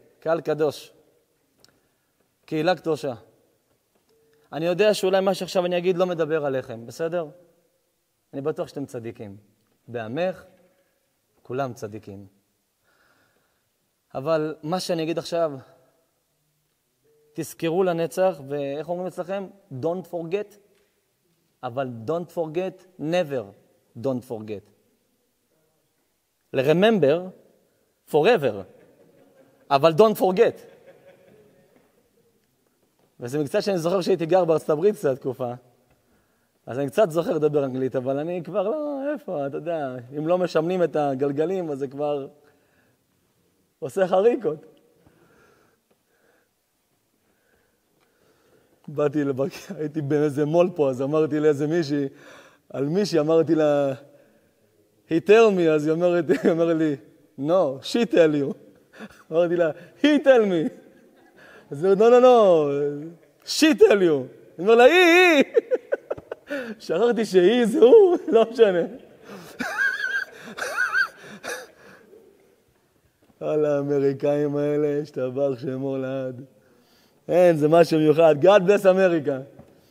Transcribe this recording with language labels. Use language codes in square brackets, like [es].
[he] קהל קדוש, קהילה קדושה, אני יודע שאולי מה שעכשיו אני אגיד לא מדבר עליכם, בסדר? אני בטוח שאתם צדיקים. בעמך, כולם צדיקים. אבל מה שאני אגיד עכשיו, תזכרו לנצח, ואיך אומרים אצלכם? [en] Don't forget, [he] אבל [en] don't forget, never don't forget. Remember forever, [he] אבל [en] don't forget. [he] וזה מקצת שאני זוכר שהייתי גר בארצות הברית קצת תקופה, אז אני קצת זוכר לדבר אנגלית, אבל אני כבר לא, איפה, אתה יודע, אם לא משמנים את הגלגלים, אז זה כבר עושה חריקות. באתי לבק... הייתי באיזה מול פה, אז אמרתי לאיזה מישהי, על מישהי אמרתי לה, [en] he tell me, [he] אז היא אומרת, היא אומר לי, [en] no, she tell you. [he] אמרתי לה, [en] he tell me. [he] אז היא אומר, [en] no, she tell you. [he] היא אומר לה, היא. שכחתי שהיא זה הוא, לא משנה. על האמריקאים האלה, שתבח שמו לעד. אין, זה משהו מיוחד. [en] God bless America.